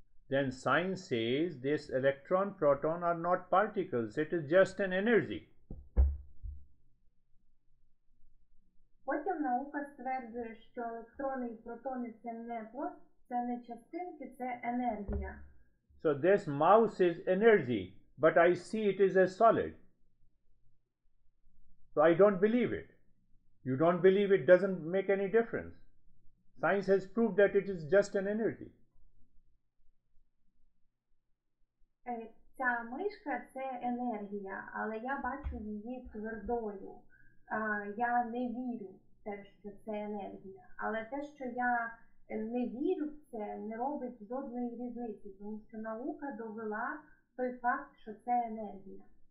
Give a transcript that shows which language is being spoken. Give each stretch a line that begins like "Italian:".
English: Then science says this electron proton are not particles, it is just an energy.
Ukrainian: Потім наука стверджує, що електрони і протони це не частинки, це енергія.
English: So this mouse is energy. But I see it is a solid. So I don't believe it. You don't believe it, doesn't make any difference. Science has proved that it is just an energy.
Ukrainian: Ця мишка – це енергія, але я бачу її твердою. Я не вірю в те, що це енергія. Але те, що я не вірю в це, не робить жодної різниці, тому що наука довела той факт, що це енергія.